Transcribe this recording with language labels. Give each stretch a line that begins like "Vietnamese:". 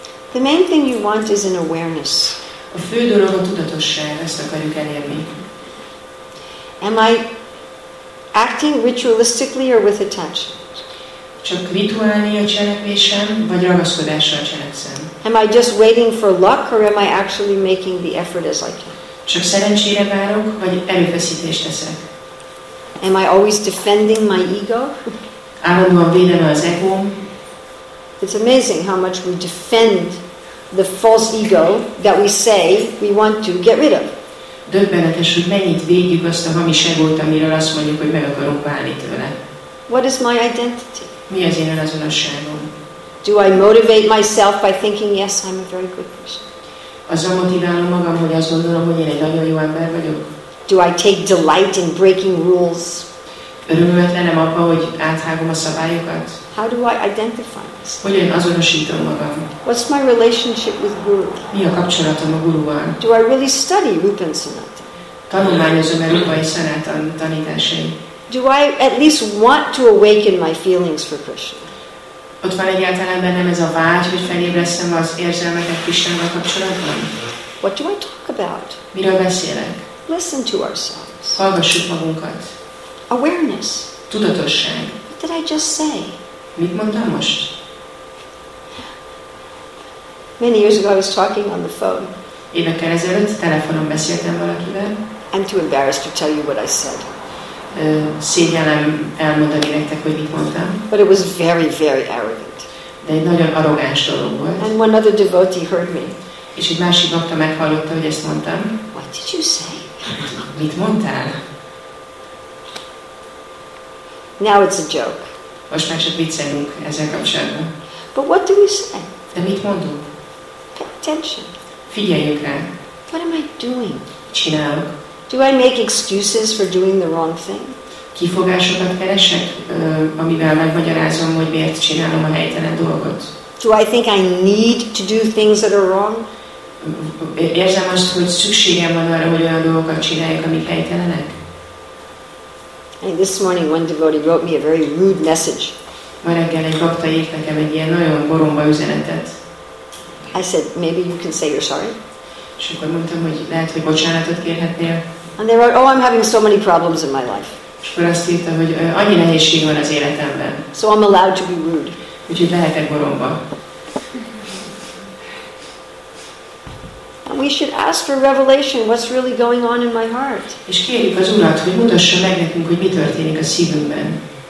English: The main thing you want is an awareness.
Hungarian: A fő dolog a tudatosság, ezt akarjuk elérni.
English: Am I acting ritualistically or with attention?
Hungarian: Csak rituálni a cselekvésem, vagy ragaszkodással cselekszem?
English: Am I just waiting for luck, or am I actually making the effort as I can?
Hungarian: Csak szerencsére várok, vagy erőfeszítést teszek?
English: Am I always defending my ego?
Hungarian: Állandóan védem az egóm.
English: It's amazing how much we defend the false ego that we say we want to get rid of.
Hungarian: Döbbenetes, hogy mennyit védjük azt a hamis egót, amiről azt mondjuk, hogy meg akarunk válni tőle.
English: What is my identity?
Hungarian: Mi az én önazonosságom?
English: Do I motivate myself by thinking, yes, I'm a very good person?
Hungarian: Azzal motiválom magam, hogy azt gondolom, hogy én egy nagyon jó ember vagyok.
English: Do I take delight in breaking rules?
Hungarian: Örömmetlenem abban, hogy áthágom a szabályokat?
English: How do I identify myself?
Hungarian: Hogyan azonosítom magam?
English: What's my relationship with Guru?
Hungarian: Mi a kapcsolatom a Guruval?
English: Do I really study Rupen Sanatan?
Hungarian: Tanulmányozom-e Rupai Sanatan tanításait?
English: Do I at least want to awaken my feelings for Krishna?
Hungarian: Ott van egyáltalán bennem ez a vágy, hogy felébresszem az érzelmeket Krishnával kapcsolatban?
English: What do I talk about?
Hungarian: Miről beszélek?
English: Listen to ourselves.
Hungarian: Hallgassuk magunkat.
English: Awareness.
Hungarian: Tudatosság.
English: What did I just say?
Hungarian: Mit mondtam most?
English: Many years ago I was talking on the phone.
Hungarian: Évekkel ezelőtt telefonon beszéltem valakivel.
English: I'm too embarrassed to tell you what I said.
Hungarian: Szégyellem elmondani nektek, hogy mit mondtam.
English: But it was very, very arrogant.
Hungarian: De egy nagyon arrogáns dolog volt.
English: And one other devotee heard me.
Hungarian: És egy másik bakta meghallotta, hogy ezt mondtam.
English: What did you say?
Hungarian: Mit mondtál?
English: Now it's a joke.
Hungarian: Most már csak viccelünk ezzel kapcsolatban.
English: But what do we say?
Hungarian: De mit mondunk?
English: Pay attention.
Hungarian: Figyeljük rá.
English: What am I doing?
Hungarian: Csinálok.
English: Do I make excuses for doing the wrong thing?
Hungarian: Kifogásokat keresek, amivel megmagyarázom, hogy miért csinálom a helytelen dolgot.
English: Do I think I need to do things that are wrong?
Hungarian: Érzem azt, hogy szükségem van arra, hogy olyan dolgokat csináljak, amik helytelenek?
English: And this morning one devotee wrote me a very rude message.
Hungarian: Ma reggel egy bakta írt nekem egy ilyen nagyon boromba üzenetet.
English: I said, maybe you can say you're sorry.
Hungarian: És akkor mondtam, hogy lehet, hogy bocsánatot kérhetnél.
English: And they wrote, oh, I'm having so many problems in my life.
Hungarian: És akkor azt írtam, hogy annyi nehézség van az életemben.
English: So I'm allowed to be rude.
Hungarian: Úgyhogy lehetek boromba.
English: And we should ask for revelation what's really going on in my heart.
Hungarian: És kérjük az Urat, hogy mutassa meg nekünk, hogy mi történik a szívünkben.